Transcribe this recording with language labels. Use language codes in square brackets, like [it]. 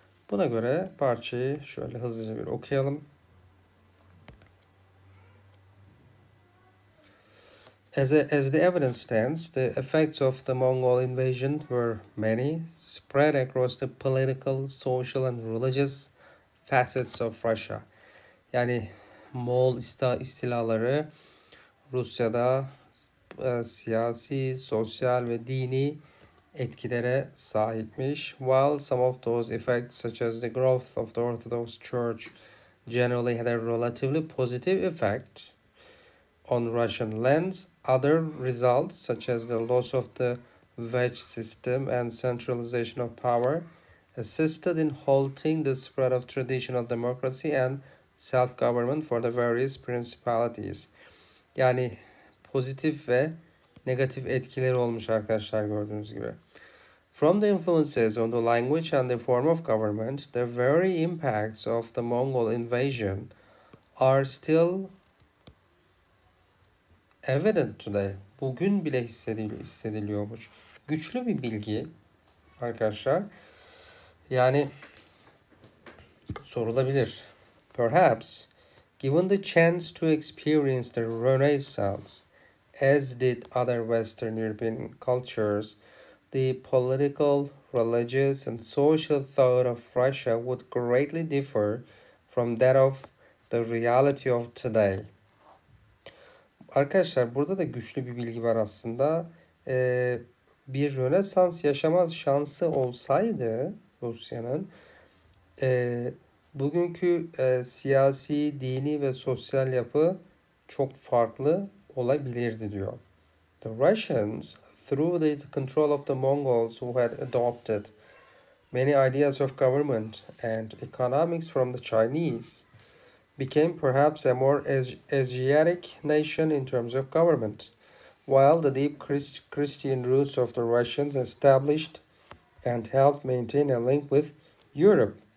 [tr] Buna göre parçayı şöyle hızlıca bir okuyalım. [en] As the evidence stands, the effects of the Mongol invasion were many, spread across the political, social and religious facets of Russia. [tr] Yani Moğol istilaları Rusya'da siyasi, sosyal ve dini etkilere sahipmiş. [en] While some of those effects, such as the growth of the Orthodox Church, generally had a relatively positive effect on Russian lands, other results, such as the loss of the Vetch system and centralization of power, assisted in halting the spread of traditional democracy and self-government for the various principalities. [tr] Yani pozitif ve negatif etkileri olmuş arkadaşlar, gördüğünüz gibi. [en] From the influences on the language and the form of government, the very impacts of the Mongol invasion are still evident today. [tr] Bugün bile hissediliyormuş. Güçlü bir bilgi arkadaşlar. Yani sorulabilir. [en] Perhaps, given the chance to experience the Renaissance, as did other Western European cultures, the political, religious, and social thought of Russia would greatly differ from that of the reality of today. [tr] Arkadaşlar, burada da güçlü bir bilgi var aslında. Bir Rönesans yaşama şansı olsaydı Rusya'nın, bugünkü siyasi, dini ve sosyal yapı çok farklı olabilirdi diyor. [en] The Russians, through the control of the Mongols who had adopted many ideas of government and economics from the Chinese, became perhaps a more Asiatic nation in terms of government, while the deep Christian roots of the Russians established and helped maintain a link with Europe.